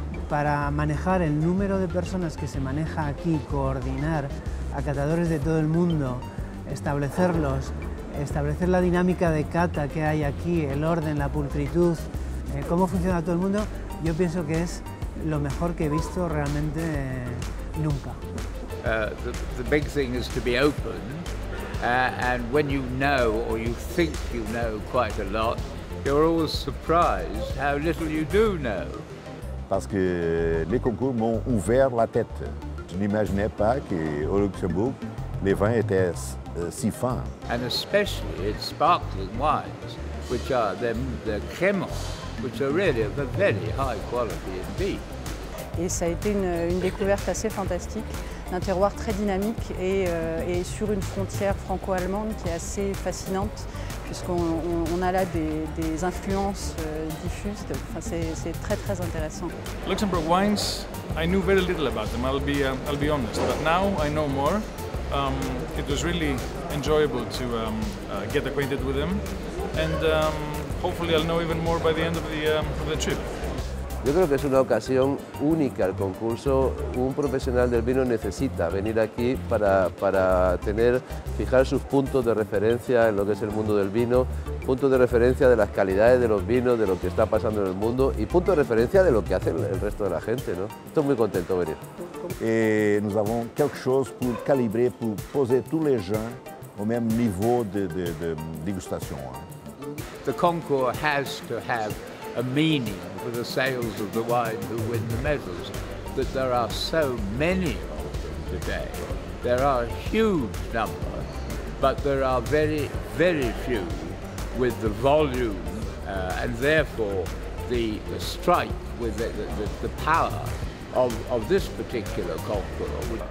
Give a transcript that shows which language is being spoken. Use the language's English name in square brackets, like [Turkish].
[Spanish] Para manejar el número de personas que se maneja aquí, coordinar a catadores de todo el mundo, establecerlos establecer la dinámica de cata que hay aquí, el orden, la pulcritud, cómo funciona todo el mundo, yo pienso que es lo mejor que he visto realmente nunca. [English] The big thing is to be open, and when you know or you think you know quite a lot, you're always surprised how little you do know. [French] Parce que les concours m'ont ouvert la tête. Je n'imaginais pas qu'au Luxembourg, les vins étaient si fins. [English] And especially its sparkling wines, which are the crémants, which are really of a very high quality indeed. [French] Et ça a été une découverte assez fantastique, un terroir très dynamique et sur une frontière franco-allemande qui est assez fascinante. Puisqu'on a là des influences diffuses, enfin, c'est très très intéressant. [English] Luxembourg wines, I knew very little about them. I'll be honest, but now I know more. It was really enjoyable to get acquainted with them, and hopefully I'll know even more by the end of the trip. [Spanish] Yo creo que es una ocasión única al concurso. Un profesional del vino necesita venir aquí para tener, fijar sus puntos de referencia en lo que es el mundo del vino, puntos de referencia de las calidades de los vinos, de lo que está pasando en el mundo y puntos de referencia de lo que hace el resto de la gente, ¿no? Estoy muy contento de venir. [French] Nous avons quelque chose pour calibrer, pour poser tous les gens au même niveau de dégustation. [English] The concours has to have a meaning for the sales of the wine who win the medals, that there are so many of them today. There are a huge number, but there are very, very few with the volume and therefore the strike with the power of this particular concours.